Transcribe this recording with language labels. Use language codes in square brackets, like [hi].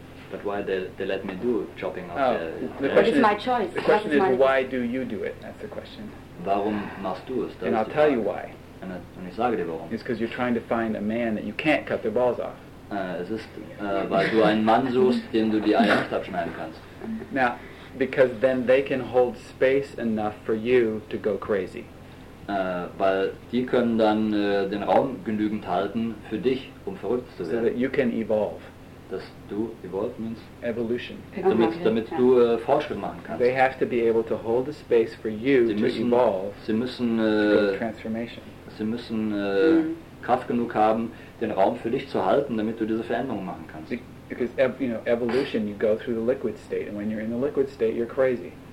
[en] But why they let me do chopping off the question? It's my choice. The question is why do you do it? That's the question. [de] Warum machst du es? [en] And I'll tell you why. [de] Und ich sage dir warum. [en] It's because you're trying to find a man that you can't cut their balls off. [de] Es ist, weil du einen Mann suchst, dem du die Eier nicht abschneiden kannst. [en] Now, because then they can hold space enough for you to go crazy. [de] Weil die können dann den Raum genügend halten für dich, um verrückt zu werden. [en] So that you can evolve. [de] Dass du [en] evolve means evolution. [de] Damit du Fortschritt machen kannst. [en] They have to be able to hold the space for you to evolve. [de] Sie müssen [en] transformation. [de] Sie müssen Kraft genug haben, den Raum für dich zu halten, damit du diese Veränderung machen kannst. [en] Because you know evolution, you go through the liquid state, and when you're in the liquid state, you're crazy.